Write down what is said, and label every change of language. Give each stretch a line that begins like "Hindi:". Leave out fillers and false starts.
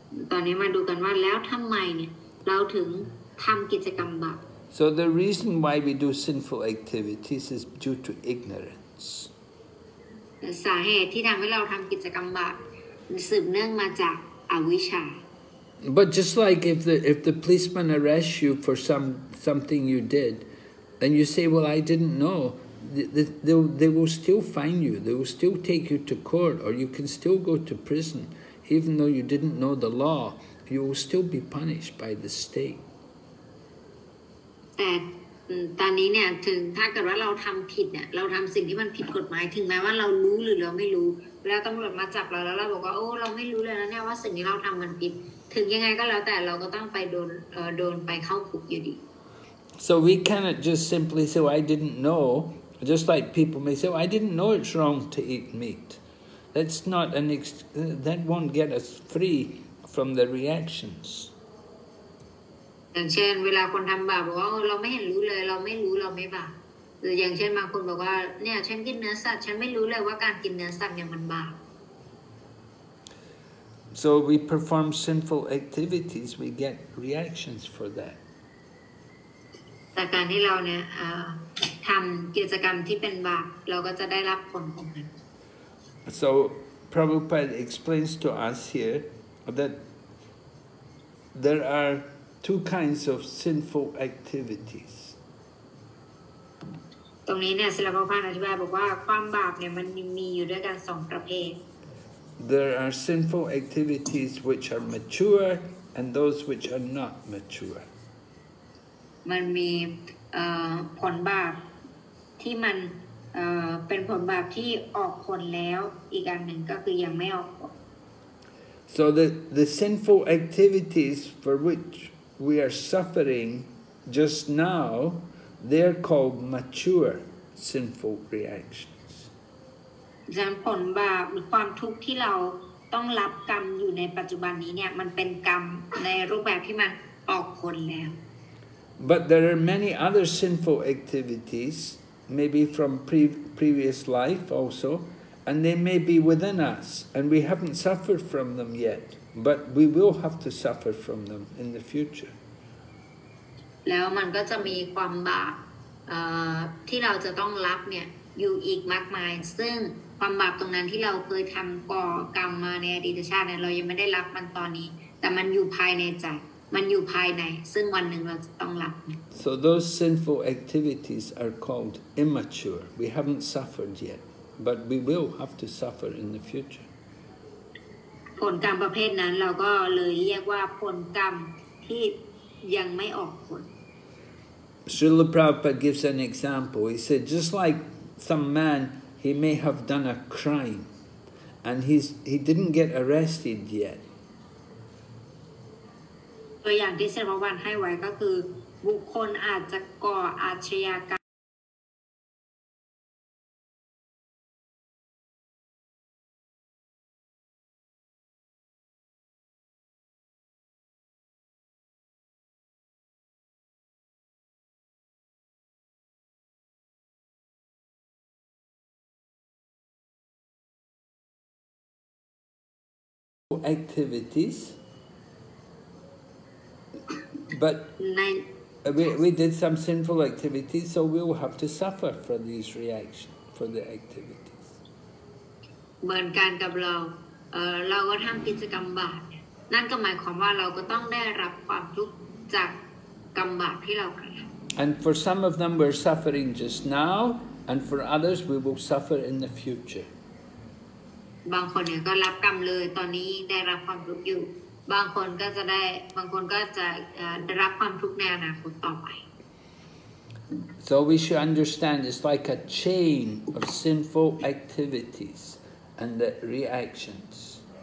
Thai: ตอนนี้มาดูกันว่าแล้วทำไมเนี่ยเราถึงทำกิจกรรมบาป
English: So the reason why we do sinful activities is due to ignorance.
Thai: สาเหตุที่ทำให้เราทำกิจกรรมบาปสืบเนื่องมาจากอวิชชา
English: But just like if the policeman arrests you for something you did, and you say, "Well, I didn't know," they will still fine you. They will still take you to court, or you can still go to prison, even though you didn't know the law. You will still be punished by the state.
Thai: แต่ตอนนี้เนี่ยถึงถ้าเกิดว่าเราทำผิดเนี่ยเราทำสิ่งที่มันผิดกฎหมายถึงแม้ว่าเรารู้หรือเราไม่รู้แล้วตำรวจมาจับเราแล้วเราบอกว่าโอ้เราไม่รู้เลยนะเนี่ยว่าสิ่งที่เราทำมันผิดถึงยังไงก็แล้วแต่เราก็ต้องไปโดนไปเข้าคุกอยู่ดี
English: so we cannot just simply say well, I didn't know just like people may say well, I didn't know it's wrong to eat meat that's not an that won't get us free from the reactions
Thai: อย่างเช่นเวลาคนทำบาปบอกว่าเราไม่เห็นรู้เลยเราไม่บาปหรืออย่างเช่นบางคนบอกว่าเนี่ยฉันกินเนื้อสัตว์ฉันไม่รู้เลยว่าการกินเนื้อสัตว์เนี่ยมันบาป
English: So we perform sinful activities we get reactions for that
Thai: แต่การที่เราเนี่ยทำกิจกรรมที่เป็นบาปเราก็จะได้รับผลของมัน
English: So Prabhupada explains to us here that there aretwo kinds of sinful activities
Thai: ตรงนี้เนี่ยศิลปะพันธ์อธิบายบอกว่าความบาปเนี่ยมันมีอยู่ด้วยกัน2ประเภท
English: There are sinful activities which are mature and those which are not mature
Thai: มันมีผลบาปที่มันเป็นผลบาปที่ออกผลแล้วอีกอันนึงก็คือยังไม่ออกผล
English: So the sinful activities for whichWe are suffering just now. They're called mature sinful reactions.
Thai: ผลบาปหรือความทุกข์ที่เราต้องรับกรรมอยู่ในปัจจุบันนี้เนี่ยมันเป็นกรรมในรูปแบบที่มันออกผลแล้ว
English: But there are many other sinful activities, maybe from previous life also, and they may be within us, and we haven't suffered from them yet. But we will have to suffer from them in the future.
Thai: แล้วมันก็จะมีความบาปที่เราจะต้องรับเนี่ยอยู่อีกมากมายซึ่งความบาปตรงนั้นที่เราเคยทำก่อกรรมมาในอดีตชาติเนี่ยเรายังไม่ได้รับมันตอนนี้แต่มันอยู่ภายในใจมันอยู่ภายในซึ่งวันหนึ่งเราจะต้องรับ
English: So those sinful activities are called immature. We haven't suffered yet, but we will have to suffer in the future.
Thai: ผลกรรมประเภทนั้นเราก็เลยเรียกว่าผลกรรมที่ยังไม่ออกผล
English: Srila Prabhupada gives an example. He said, just like some man, he may have done a crime, and he didn't get arrested yet.
Thai: ตัวอย่างที่ศิลปวันให้ไว้ก็คือบุคคลอาจจะก่ออาชญากรรม
English: Activities, but we did some sinful activities, so we will have to suffer for these reactions, for the activities.
Thai: เหมือนกันกับเราเราก็ทำกิจกรรมบาป นั่นก็หมายความว่าเราก็ต้องได้รับความทุกข์จากกรรมบาปที่เรากระทำ
English: And for some of them we're suffering just now and for others we will suffer in the future
Thai: บางคนก็รับกรรมเลยตอนนี้ได้รับความทุกข์อยู่บางคนก็จะได้บางคนก็จะได้รับความทุกข์ในอนาคตต่อไป
English: So we should understand it's like a chain of sinful activities and the reactions.